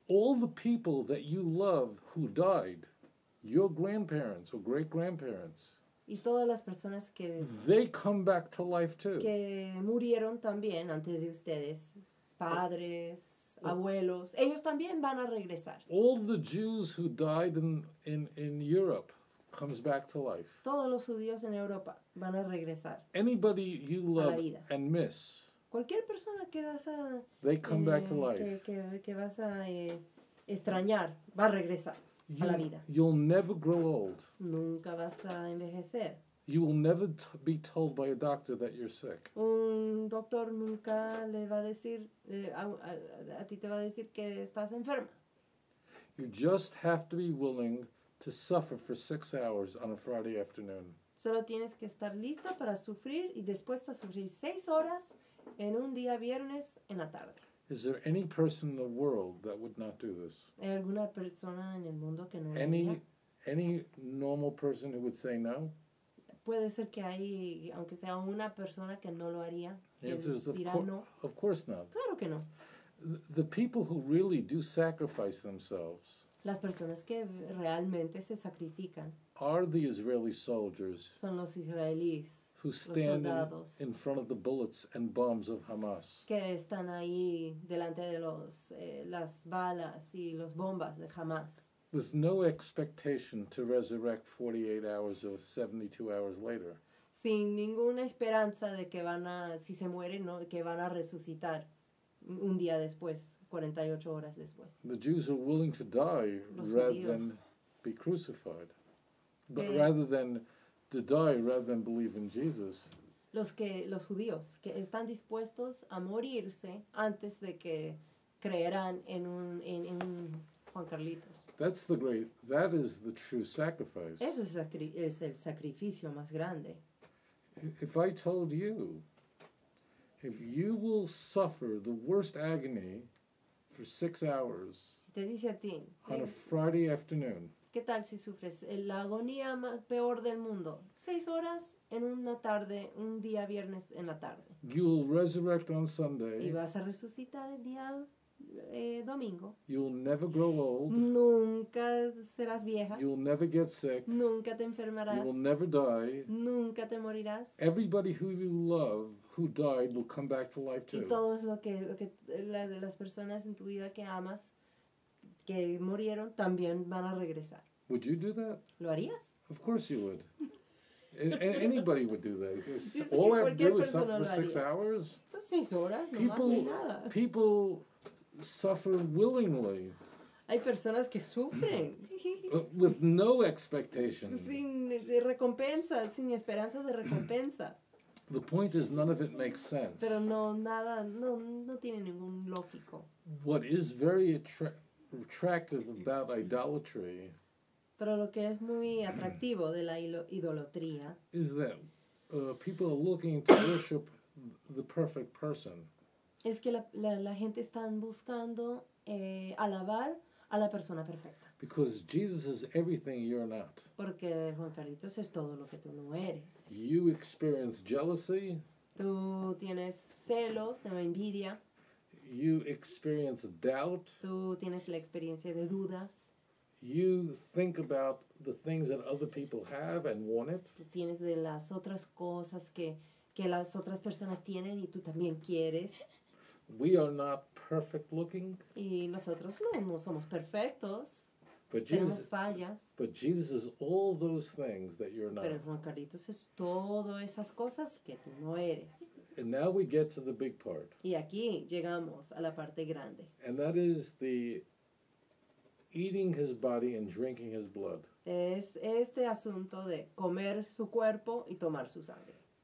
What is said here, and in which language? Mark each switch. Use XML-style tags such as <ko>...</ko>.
<en>All the people that you love who died, your grandparents or great-grandparents.</en> <es>Y todas las personas que...</es> <en>They come back to life too.</en> <es>Que murieron también antes de ustedes. Padres. Abuelos, ellos también van a regresar.</es> <en>All the Jews who died in Europe comes back to life.</en> <es>Todos los judíos en Europa van a regresar.</es> <en>Anybody you love and miss.</en> <es>Cualquier persona que vas a</es> <en>they come back to life.</en> <es>Que vas a extrañar va a regresar a la vida.</es> <en>You'll never grow old.</en> <es>Nunca vas a envejecer.</es> <en>You will never be told by a doctor that you're sick.</en> <es>Un doctor nunca le va a decir a ti te va a decir que estás enferma.</es> <en>You just have to be willing to suffer for 6 hours on a Friday afternoon.</en> <es>Solo tienes que estar lista para sufrir y dispuesta a sufrir 6 horas en un día viernes en la tarde.</es> <en>Is there any person in the world that would not do this?</en> <es>¿Hay alguna persona en el mundo que no?</es> <en>Any normal person who would say no?</en> <es>Puede ser que hay, aunque sea una persona que no lo haría,</es> <en>of course not.</en> <es>Claro que no.</es> <en>The people who really do sacrifice themselves.</en> <es>Las personas que realmente se sacrifican.</es> <en>Are the Israeli soldiers.</en> <es>Son los israelíes.</es> <en>Who stand in front of the bullets and bombs of Hamas.</en> <es>Que están ahí delante de los las balas y los bombas de Hamas.</es> <en>With no expectation to resurrect 48 hours or 72 hours later.</en> <es>Sin ninguna esperanza de que van a, si se mueren, ¿no? Que van a resucitar un día después, 48 horas después.</es> <en>The Jews are willing to die rather than be crucified. But rather than to die rather than believe in Jesus.</en> <es>Los judíos que están dispuestos a morirse antes de que creerán en un Juan Carlitos.</es> <en>That is the true sacrifice.</en> <es>Eso es el sacrificio más grande.</es> <en>If I told you, if you will suffer the worst agony for 6 hours,</en> <es>si te dice a ti,</es> <en>on a Friday afternoon,</en> <es>¿qué tal si sufres la agonía más peor del mundo? 6 horas en una tarde, un día viernes en la tarde.</es> <en>You will resurrect on Sunday.</en> <es>Y vas a resucitar el día domingo.</es> <en>You'll never grow old.</en> <es>Nunca serás vieja.</es> <en>You'll never get sick.</en> <es>Nunca te enfermarás.</es> <en>You will never die.</en> <es>Nunca te morirás.</es> <en>Everybody who you love who died will come back to life too.</en> <es>Y todos las personas en tu vida que amas que murieron también van a regresar.</es> <en>Would you do that?</en> <es>¿Lo harías?</es> <en>Of course you would. Anybody would do that. All I do is suffer for 6 hours.</en> <es>Son 6 horas.</es> <en>People suffer willingly.</en> <es>Hay personas que sufren.</es> <en>With no expectation.</en> <es>Sin recompensa, sin esperanza de recompensa.</es> <en>The point is, none of it makes sense.</en> <es>Pero no, nada, no, no tiene ningún lógico.</es> <en>What is very attractive about idolatry,</en> <es>pero lo que es muy atractivo de la idolatría,</es> <en>is that people are looking to worship the perfect person.</en> <es>Es que la gente están buscando alabar a la persona perfecta.</es> <en>Because Jesus is everything you're not.</en> <es>Porque Juan Carlitos es todo lo que tú no eres.</es> <en>You experience jealousy.</en> <es>Tú tienes celos, o envidia.</es> <en>You experience doubt.</en> <es>Tú tienes la experiencia de dudas.</es> <en>You think about the things that other people have and want it.</en> <es>Tú tienes de las otras cosas que las otras personas tienen y tú también quieres.</es> <en>We are not perfect looking.</en> <es>Y nosotros no somos perfectos.</es> <en>But Jesus,</en> <es>tenemos fallas.</es> <en>But Jesus is all those things that you're not.</en> <es>Pero Juan Carlitos es todas esas cosas que tú no eres.</es> <en>And now we get to the big part.</en> <es>Y aquí llegamos a la parte grande.</es> <en>And that is the eating his body and drinking his blood.</en> <es>Es este asunto de comer su cuerpo y tomar su sangre.</es>